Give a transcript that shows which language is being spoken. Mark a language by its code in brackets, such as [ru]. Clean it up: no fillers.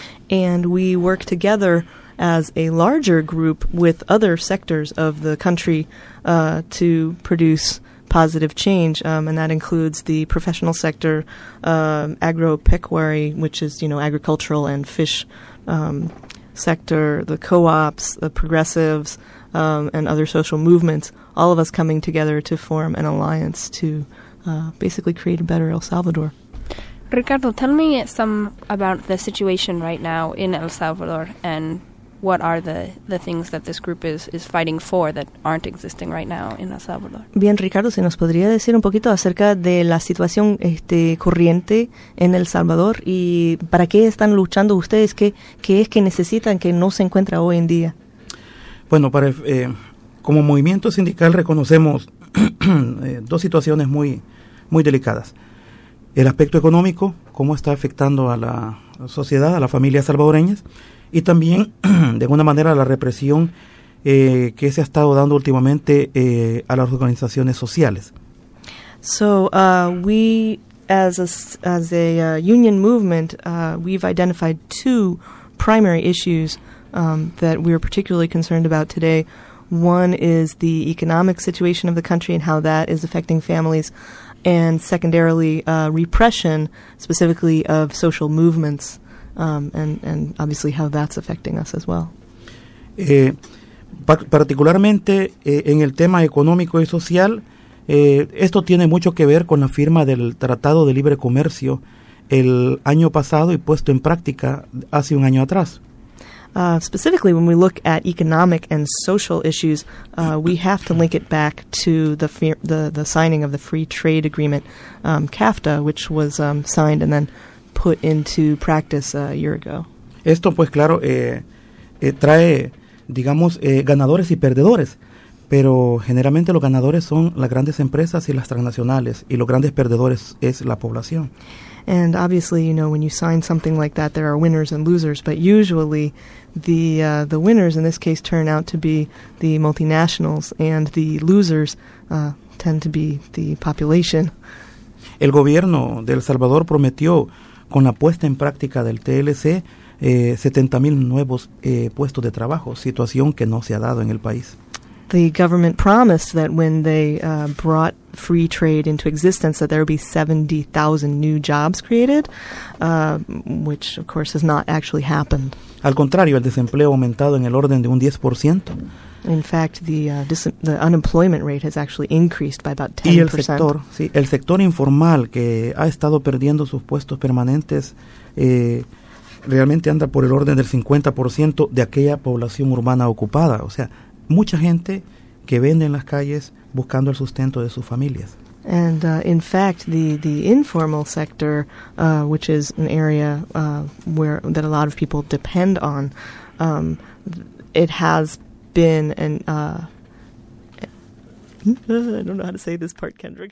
[en] And we work together as a larger group with other sectors of the country to produce positive change, and that includes the professional sector, agropecuary, which is, you know, agricultural and fish sector, the co-ops, the progressives, and other social movements, all of us coming together to form an alliance to basically create a better El Salvador. Ricardo, tell me some about the situation right now in El Salvador and what are the things that this group is fighting for that aren't existing right now in El Salvador? [es] Bien, Ricardo, si nos podría decir un poquito acerca de la situación corriente en El Salvador y para qué están luchando ustedes, qué es que necesitan que no se encuentra hoy en día. Bueno, para como movimiento sindical reconocemos dos situaciones muy, muy delicadas. El aspecto económico, cómo está afectando a la sociedad, a las familias salvadoreñas, y también, de alguna manera, la represión que se ha estado dando últimamente a las organizaciones sociales. [en] So, we, as a union movement, we've identified two primary issues that we are particularly concerned about today. One is the economic situation of the country and how that is affecting families, and secondarily, repression, specifically of social movements. And obviously how that's affecting us as well. [es] Particularmente en el tema económico y social, esto tiene mucho que ver con la firma del Tratado de Libre Comercio el año pasado y puesto en práctica hace un año atrás. [en] Specifically, when we look at economic and social issues, we have to link it back to the signing of the Free Trade Agreement, CAFTA, which was signed and then put into practice a year ago. [es] Esto, pues claro, trae, digamos, ganadores y perdedores, pero generalmente los ganadores son las grandes empresas y las transnacionales, y los grandes perdedores es la población. [en] And obviously, you know, when you sign something like that, there are winners and losers, but usually the winners in this case turn out to be the multinationals, and the losers tend to be the population. [es] El gobierno de El Salvador prometió con la puesta en práctica del TLC, 70,000 nuevos puestos de trabajo, situación que no se ha dado en el país. [en] The government promised that when they brought free trade into existence that there would be 70,000 new jobs created, which of course has not actually happened. [es] Al contrario, el desempleo ha aumentado en el orden de un 10%. [en] In fact, the unemployment rate has actually increased by about 10%. [es] Y el sector, sí, el sector informal que ha estado perdiendo sus puestos permanentes realmente anda por el orden del 50% de aquella población urbana ocupada. O sea, mucha gente que vende en las calles buscando el sustento de sus familias. [en] And in fact, the informal sector, which is an area where that a lot of people depend on, it has been an I don't know how to say this part, Kendra.